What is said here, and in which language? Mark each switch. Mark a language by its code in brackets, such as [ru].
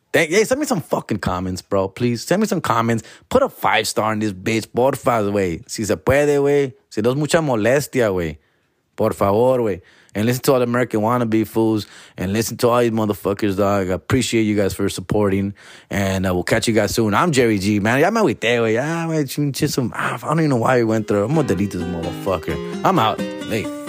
[en] Hey, send me some fucking comments, bro. Please send me some comments. Put a 5-star in this bitch, [es] por favor, güey. Si se puede, güey. Si no es mucha molestia, güey. Por favor, güey. [en] and listen to all the American wannabe fools and listen to all these motherfuckers, dog. I appreciate you guys for supporting, and we'll catch you guys soon. I'm Jerry G, man. Yeah, man, we there, way. Yeah, man, just some. I don't even know why we went through. I'm gonna delete this motherfucker. I'm out. Hey.